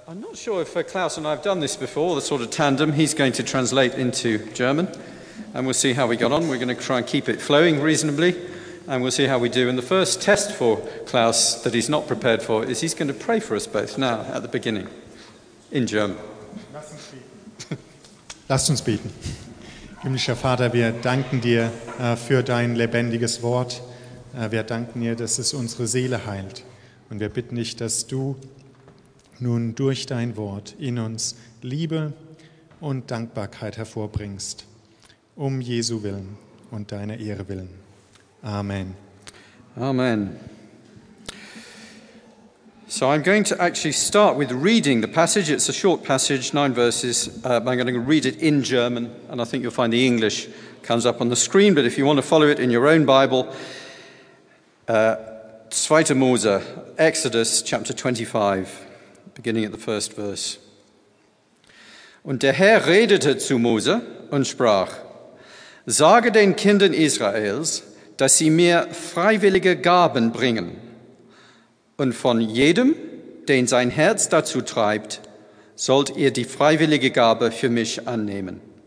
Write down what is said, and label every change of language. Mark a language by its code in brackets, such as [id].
[en] I'm not sure if Klaus and I have done this before, the sort of tandem. He's going to translate into German, and we'll see how we got on. We're going to try and keep it flowing reasonably, and we'll see how we do. And the first test for Klaus that he's not prepared for is he's going to pray for us both now at the beginning in German. [de] Lasst uns beten. Himmlischer Vater, wir danken dir für dein lebendiges Wort. Wir danken dir, dass es unsere Seele heilt. Und wir bitten dich, dass du nun durch dein Wort in uns Liebe und Dankbarkeit hervorbringst. Um Jesu willen und deiner Ehre willen. Amen. Amen. [en] So I'm going to actually start with reading the passage. It's a short passage, 9 verses. I'm going to read it in German, and I think you'll find the English comes up on the screen. But if you want to follow it in your own Bible, 2 Mose, Exodus chapter 25, beginning at the first verse. [de] Und der Herr redete zu Mose und sprach, Sage den Kindern Israels, dass sie mir freiwillige Gaben bringen. Und von jedem, den sein Herz dazu treibt, sollt ihr die freiwillige Gabe für mich annehmen.